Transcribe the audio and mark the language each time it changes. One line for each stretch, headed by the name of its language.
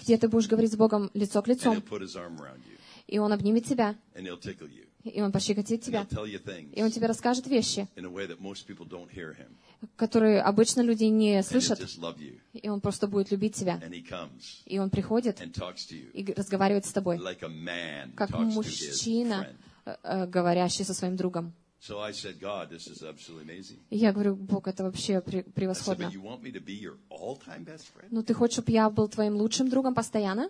Russian: где ты будешь говорить с Богом лицо к лицу,
English: and he'll put his arm around you,
Russian: и он обнимет тебя,
English: and he'll tickle you,
Russian: и он пощекотит тебя,
English: and he'll tell you things,
Russian: и он тебе расскажет вещи,
English: in a way that most people don't hear him,
Russian: которые обычно люди не слышат,
English: and he'll just love you,
Russian: и он просто будет любить тебя,
English: and he comes,
Russian: и он приходит,
English: and talks to you,
Russian: и разговаривает с тобой,
English: like a man,
Russian: как мужчина, говорящий со своим другом.
English: So I said, God, this is absolutely amazing.
Russian: Я говорю, Бог, это вообще превосходно.
English: You want me to be your all-time best friend?
Russian: Ну, ты хочешь, чтобы я был твоим лучшим другом постоянно?